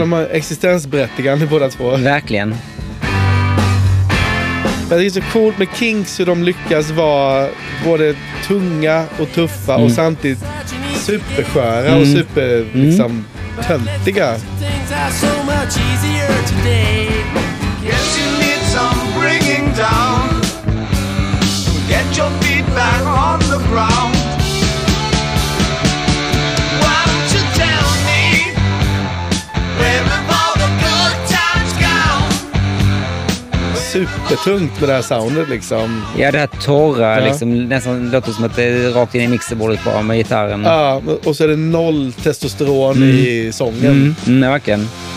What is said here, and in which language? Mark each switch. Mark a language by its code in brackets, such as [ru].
[sv] De har existensberättigande båda två. Verkligen. Men det är så coolt med Kinks hur de lyckas vara både tunga och tuffa och samtidigt supersköra och super liksom töntiga. [en] So much easier today. Guess you need some bringing down. Get your feet back on the ground. Why don't you tell me where have all the good times gone? [sv] Supertungt med det här soundet liksom. Ja, det här torra liksom, nästan låter som att det är rakt in i mixerbordet bara med gitarren. Ja, och så är det noll testosteron i sången. Nej, verkligen.